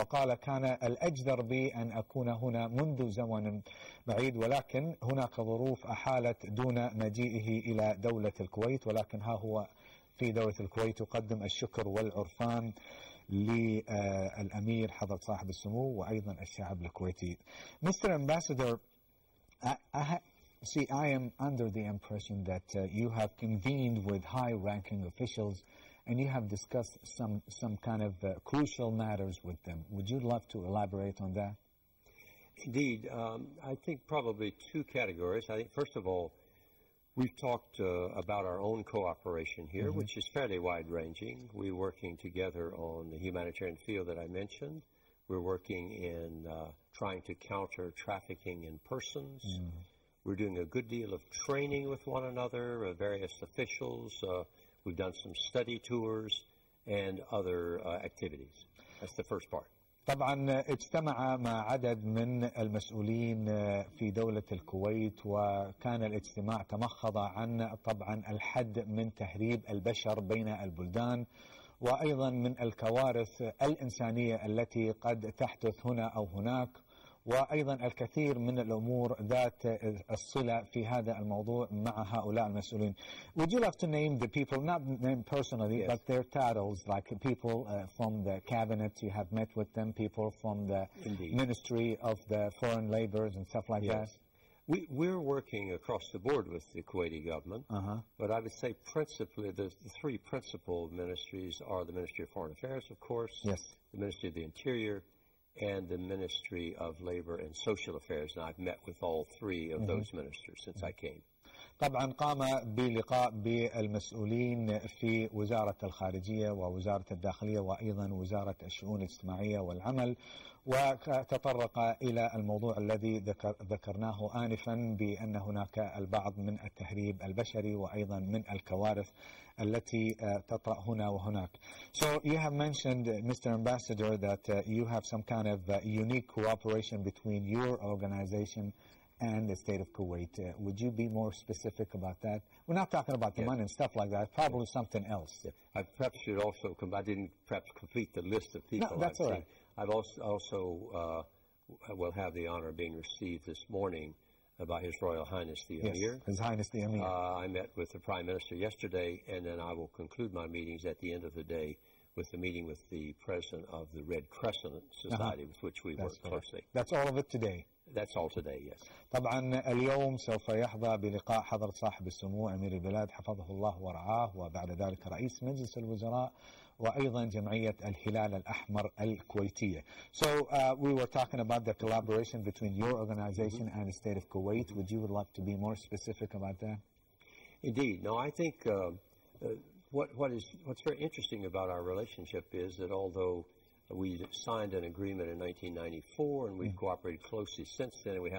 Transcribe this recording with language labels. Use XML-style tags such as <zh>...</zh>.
<ar>وقال كان الأجدر بي أن أكون هنا منذ زمن بعيد، ولكن هناك ظروف أحالت دون مجيئه إلى دولة الكويت، ولكن ها هو في دولة الكويت يقدم الشكر والعرفان للأمير حضرة صاحب السمو وأيضا الشعب الكويتي.</ar> <en>Mr. Ambassador, I am under the impression that you have convened with high-ranking officials and you have discussed some kind of crucial matters with them. Would you love to elaborate on that? Indeed. I think probably two categories. I think, first of all, we've talked about our own cooperation here, mm-hmm. which is fairly wide-ranging. We're working together on the humanitarian field that I mentioned. We're working in trying to counter trafficking in persons. Mm-hmm. We're doing a good deal of training with one another, various officials. We've done some study tours and other activities. That's the first part.</en> <ar>طبعا اجتمع مع عدد من المسؤولين في دولة الكويت، وكان الاجتماع تمخض عن طبعا الحد من تهريب البشر بين البلدان، وأيضا من الكوارث الإنسانية التي قد تحدث هنا أو هناك، وأيضا الكثير من الأمور ذات الصلة في هذا الموضوع مع هؤلاء المسؤولين.</ar> <en>Would you like to name the people, not name personally, yes. but their titles, like people from the cabinet you have met with them, people from the Indeed. Ministry of the Foreign Labors and stuff like yes. that? We're working across the board with the Kuwaiti government, but I would say principally the three principal ministries are the Ministry of Foreign Affairs, of course, yes, the Ministry of the Interior, and the Ministry of Labor and Social Affairs. And I've met with all three of those ministers since I came.</en> <ar>طبعا قام بلقاء بالمسؤولين في وزارة الخارجية ووزارة الداخلية وأيضا وزارة الشؤون الاجتماعية والعمل وتطرق إلى الموضوع الذي ذكرناه آنفا بأن هناك البعض من التهريب البشري وأيضا من الكوارث التي تطرأ هنا وهناك.</ar> <en>So you have mentioned, Mr. Ambassador, that you have some kind of unique cooperation between your organization and the state of Kuwait. Would you be more specific about that? We're not talking about the money and stuff like that. Probably something else. I perhaps should also come. I didn't perhaps complete the list of people. No, that's all right. I've also will have the honor of being received this morning by His Royal Highness the Emir. Yes, His Highness the Emir. I met with the Prime Minister yesterday, and then I will conclude my meetings at the end of the day with the meeting with the President of the Red Crescent Society, with which we work closely. That's all of it today. That's all today, yes.</en> <ar>طبعا اليوم سوف يحظى بلقاء حضرة صاحب السمو أمير البلاد حفظه الله ورعاه وبعد ذلك رئيس مجلس الوزراء وأيضا جمعية الهلال الأحمر الكويتية.</ar> <en>So we were talking about the collaboration between your organization and the state of Kuwait. Would you like to be more specific about that? Indeed. No, I think what's very interesting about our relationship is that although we signed an agreement in 1994, and we've cooperated closely since then.</en>